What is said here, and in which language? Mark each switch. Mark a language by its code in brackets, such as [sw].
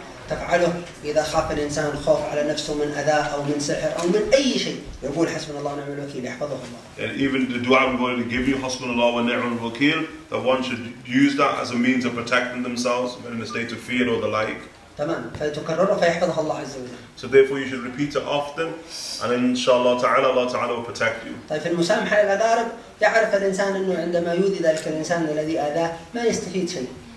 [ar] تفعله إذا خاف الإنسان الخوف على نفسه من أذى أو من سحر أو من أي شيء يقول حسبنا الله ونعم الوكيل يحفظه الله. [en] And even the dua we're going to give you, [ar] حسبنا الله ونعم الوكيل, [en] that one should use that as a means of protecting themselves when in a state of fear or the like. [ar] تمام. فيتكرر فيحفظه الله عز وجل. [en] So therefore you should repeat it often, and [ar] إن شاء الله تعالى الله تعالى [en] will protect you. [ar] طيب في المسامحة للأقارب يعرف الإنسان إنه عندما يؤذي ذلك الإنسان الذي أذاه ما يستفيد شيء.